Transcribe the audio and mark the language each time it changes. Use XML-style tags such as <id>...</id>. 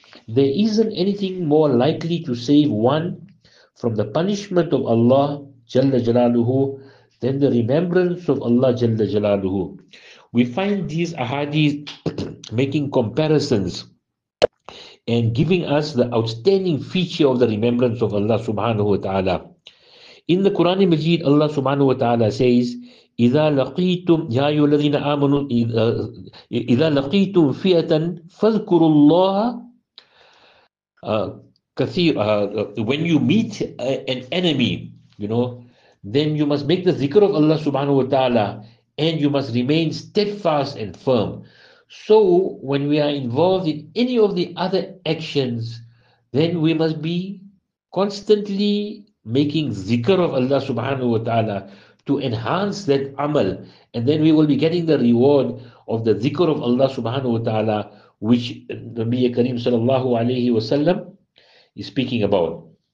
<en>There isn't anything more likely to save one from the punishment of Allah Jalla Jalaluhu than the remembrance of Allah Jalla Jalaluhu. We find these ahadith making comparisons and giving us the outstanding feature of the remembrance of Allah Subhanahu wa Ta'ala. In the Quran Majid, Allah Subhanahu wa Ta'ala says,</en> <ar>إذا لقيتم يا أيها الذين آمنوا إذا لقيتم فئة فاذكروا الله كثير.</ar> <en>When you meet an enemy, you know, then you must make the dhikr of Allah Subhanahu wa Ta'ala and you must remain steadfast and firm. So when we are involved in any of the other actions, then we must be constantly making dhikr of Allah Subhanahu wa Ta'ala to enhance that amal, and then we will be getting the reward of the dhikr of Allah Subhanahu wa Ta'ala, which Nabi Kareem sallallahu alayhi wa sallam is speaking about.</en>